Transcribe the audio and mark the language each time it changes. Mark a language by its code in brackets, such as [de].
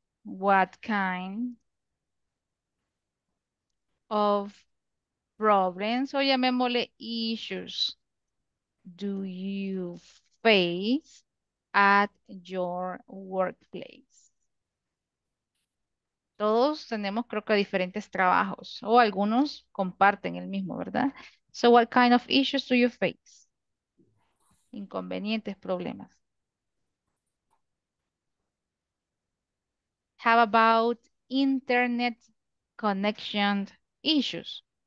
[en] What kind of problems, [es] o llamémosle [en] issues, do you face at your workplace? [es] Todos tenemos, creo que, diferentes trabajos, o algunos comparten el mismo, ¿verdad? [en] So, what kind of issues do you face? [es] Inconvenientes, problemas. [en] How about internet connection issues?